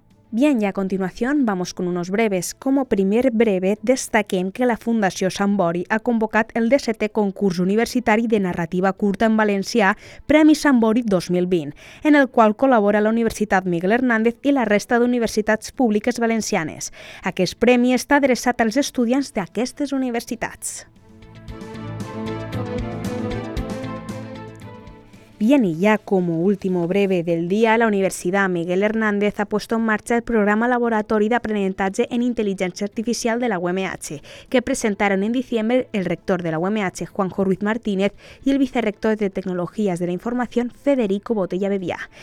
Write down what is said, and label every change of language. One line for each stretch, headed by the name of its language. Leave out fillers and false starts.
Spanish: Bien, y a continuación vamos con unos breves. Como primer breve,
Catalan: destaquem que la Fundació Sant Bori ha convocat el 17è concurs universitari de narrativa curta en valencià Premi Sant Bori 2020, en el qual col·labora la Universitat Miguel Hernández i la resta d'universitats públiques valencianes. Aquest premi està adreçat als estudiants d'aquestes universitats.
Spanish: Bien, y ya como último breve del día, la Universidad Miguel Hernández ha puesto en marcha el programa laboratorio de aprendizaje en inteligencia artificial de la UMH, que presentaron en diciembre el rector de la UMH, Juanjo Ruiz Martínez, y el vicerrector de Tecnologías de la Información, Federico Botella Bebía.